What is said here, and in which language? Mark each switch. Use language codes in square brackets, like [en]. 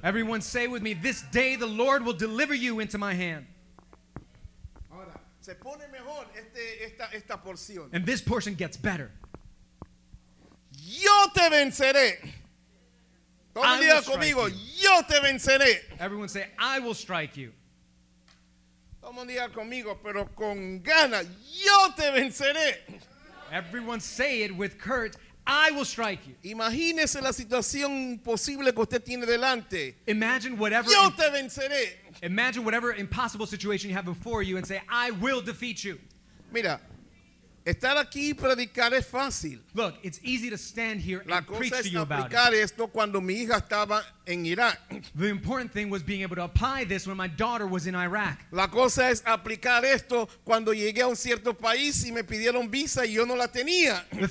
[en] Everyone say with me, this day the Lord will deliver you into my hand. [es] Ahora, se pone mejor esta porción. [en] And this portion gets better. [es] Yo te venceré. Todo el mundo diga conmigo, yo te venceré. [en] Everyone say, I will strike you. [es] Como diga conmigo, pero con ganas, yo te venceré. [en] Everyone say it with courage, I will strike you. [es] Imagínese la situación posible que usted tiene delante. [en] Imagine whatever. [es] Yo te venceré. [en] Imagine whatever impossible situation you have before you and say, I will defeat you. [es] Mira, estar aquí y predicar es fácil. [en] Look, it's easy to stand here [es] la [en] and preach to you about it. [es] La cosa es aplicar esto cuando mi hija estaba en Irak. [en] The important thing was being able to apply this when my daughter was in Iraq. [es] La cosa es aplicar esto cuando llegué a un cierto país y me pidieron visa y yo no la tenía.